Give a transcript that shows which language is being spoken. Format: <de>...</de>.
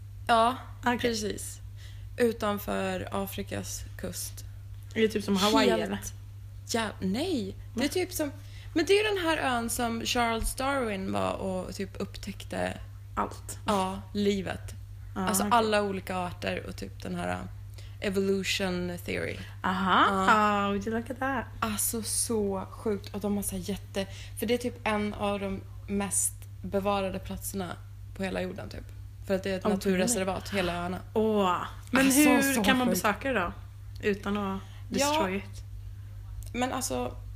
<sv>Ja, okay. Precis. Utanför Afrikas kust. Är det typ som Hawaii? Helt... eller? Ja, nej. Det är typ som... men det är den här ön som Charles Darwin var och typ upptäckte allt. Ja, livet. Ah, alltså okay. Alla olika arter och typ den här</sv> <en>evolution theory. Aha, would you look at that?</en> <sv>Alltså så sjukt. Och de har så jätte... för det är typ en av de mest bevarade platserna på hela jorden typ. För att det är ett naturreservat, hela öarna. Åh, men alltså, hur så kan man besöka det då? Utan att</sv> <en>destroy it?</en> <sv>Men alltså...</sv>